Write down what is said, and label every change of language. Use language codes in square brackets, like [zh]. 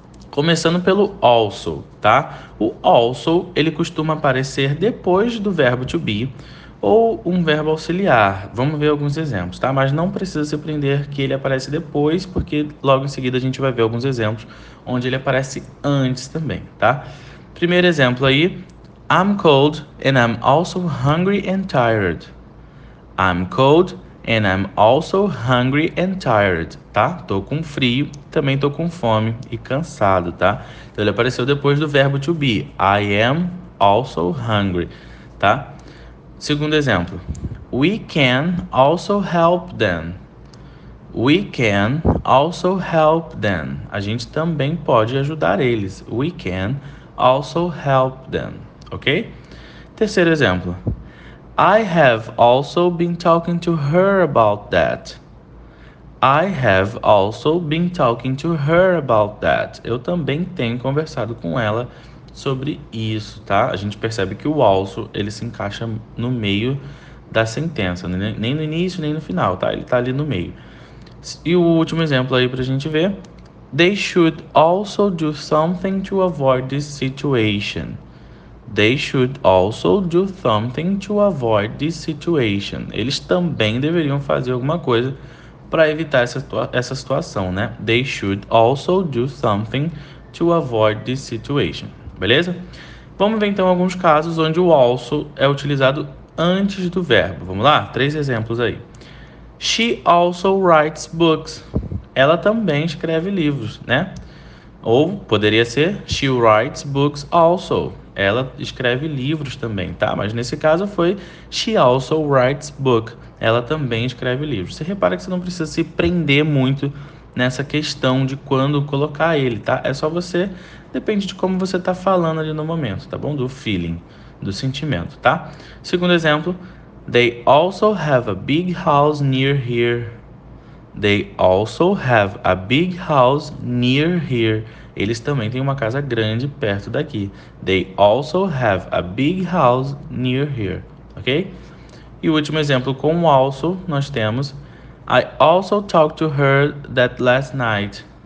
[pt] Começando pelo also, tá? O also ele costuma aparecer depois do verbo to be ou um verbo auxiliar. Vamos ver alguns exemplos, tá? Mas não precisa se prender que ele aparece depois, porque logo em seguida a gente vai ver alguns exemplos onde ele aparece antes também, tá? Primeiro exemplo aí: [en] I'm cold and I'm also hungry and tired. I'm cold and I'm also hungry and tired, tá? [pt] Tô com frio, também tô com fome e cansado, tá? Então ele apareceu depois do verbo to be. [en] I am also hungry, tá? [pt] Segundo exemplo: [en] We can also help them. We can also help them. [pt] A gente também pode ajudar eles. [en] We can also help them. Ok? [pt] Terceiro exemplo: [en] I have also been talking to her about that. I have also been talking to her about that. [pt] Eu também tenho conversado com ela sobre isso, tá? A gente percebe que o also ele se encaixa no meio da sentença, né? Nem no início, nem no final, tá? Ele tá ali no meio. E o último exemplo aí pra gente ver. [en] They should also do something to avoid this situation. They should also do something to avoid this situation. [pt] Eles também deveriam fazer alguma coisa para evitar essa situação, né? [en] They should also do something to avoid this situation. [pt] Beleza? Vamos ver então alguns casos onde o also é utilizado antes do verbo. Vamos lá? Três exemplos aí. [en] She also writes books. [pt] Ela também escreve livros, né? Ou poderia ser [en] she writes books also. [pt] Ela escreve livros também, tá? Mas nesse caso foi [en] she also writes book. [pt] Ela também escreve livros. Você repara que você não precisa se prender muito nessa questão de quando colocar ele, tá? É só você, depende de como você tá falando ali no momento, tá bom? Do feeling, do sentimento, tá? Segundo exemplo, [en] they also have a big house near here. They also have a big house near here. [pt] Eles também têm uma casa grande perto daqui. [en] They also have a big house near here. Ok? [pt] E o último exemplo com o also, nós temos. [en] I also talked to her that last night.